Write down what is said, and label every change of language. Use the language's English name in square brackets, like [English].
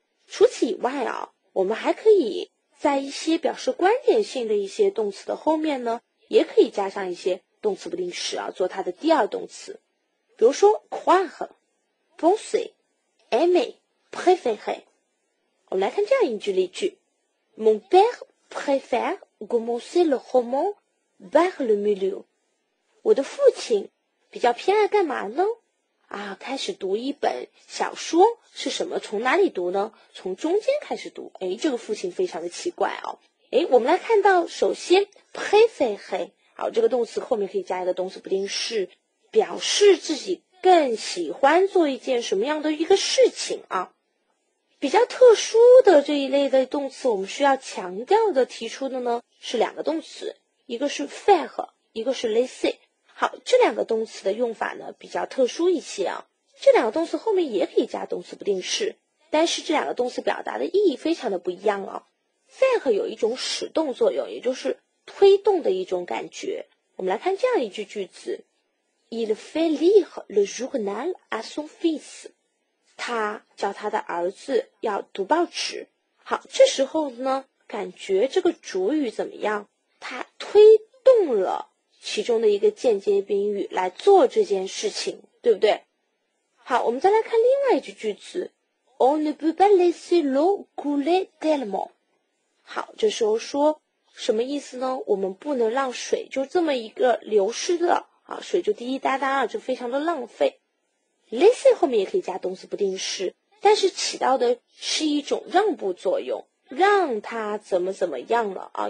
[Chinese] 除此以外啊，我们还可以在一些表示观点性的一些动词的后面呢，也可以加上一些动词不定式啊，做它的第二动词。比如说 croire、penser、aimer、préférer。我们来看这样一句例句， [French] Mon père préfère commencer le roman par le milieu。 [Chinese] 我的父亲比较偏爱干嘛呢？啊，开始读一本小说是什么？从哪里读呢？从中间开始读。哎，这个父亲非常的奇怪哦。哎，我们来看到首先 préférer， 好，这个动词后面可以加一个动词不定式，表示自己更喜欢做一件什么样的一个事情啊。比较特殊的这一类的动词，我们需要强调的提出的呢是两个动词，一个是 faire， 一个是 laisser。好，这两个动词的用法呢比较特殊一些啊，这两个动词后面也可以加动词不定式，但是这两个动词表达的意义非常的不一样啊。 faire 有一种使动作用，也就是推动的一种感觉。我们来看这样一句句子， [French] Il fait lire le journal à son fils。 [Chinese] 他叫他的儿子要读报纸。好，这时候呢感觉这个主语怎么样？他推动了其中的一个间接宾语来做这件事情，对不对？好，我们再来看另外一句句子， [French] On ne peut pas laisser l'eau couler tellement。 [Chinese] 好，这时候说什么意思呢？我们不能让水就这么一个流失的啊，水就滴滴答答啊，就非常的浪费。 laisser 后面也可以加动词不定式，但是起到的是一种让步作用，让它怎么怎么样了啊。